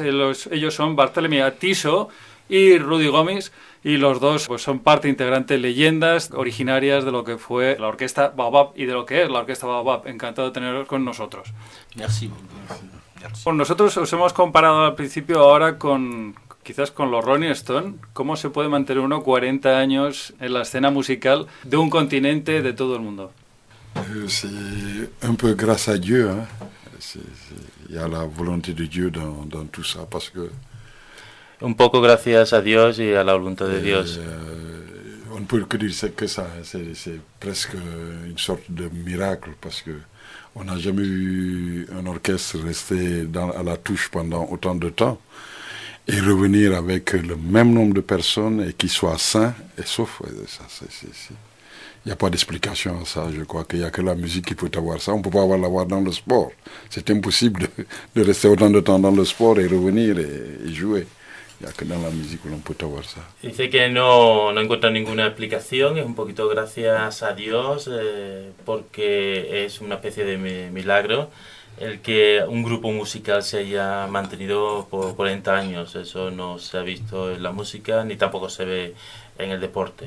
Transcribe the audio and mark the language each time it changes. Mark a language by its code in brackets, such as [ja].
[es] Ellos son Bartolomé Atiso y Rudy Gómez, y los dos pues son parte integrante, leyendas originarias de lo que fue la orquesta Baobab y de lo que es la orquesta Baobab. Encantado de teneros con nosotros. [fr] Merci. [es] Con nosotros os hemos comparado al principio ahora con quizás con los Rolling Stone. ¿Cómo se puede mantener uno 40 años en la escena musical de un continente de todo el mundo? [fr] C'est un peu grâce à Dieu, hein. Il y a la volonté de Dieu dans tout ça, parce que... [es] Un poco gracias a Dios y a la voluntad de Dios. [fr] On ne peut que dire que ça, c'est presque une sorte de miracle, parce que on n'a jamais vu un orchestre rester à la touche pendant autant de temps et revenir avec le même nombre de personnes et qu'ils soient sains et saufs. Ça, c'est. Il n'y a pas d'explication à ça, je crois qu'il n'y a que la musique qui peut avoir ça. On ne peut pas l'avoir dans le sport. C'est impossible de rester autant de temps dans le sport et revenir et jouer. Il n'y a que dans la musique où l'on peut avoir ça. Il dit que [es] non encuentra ninguna explicación. Es un poquito gracias a Dios, porque es una especie de milagro. el que un grupo musical se haya mantenido por 40 años. Eso no se ha visto en la música ni tampoco se ve en el deporte.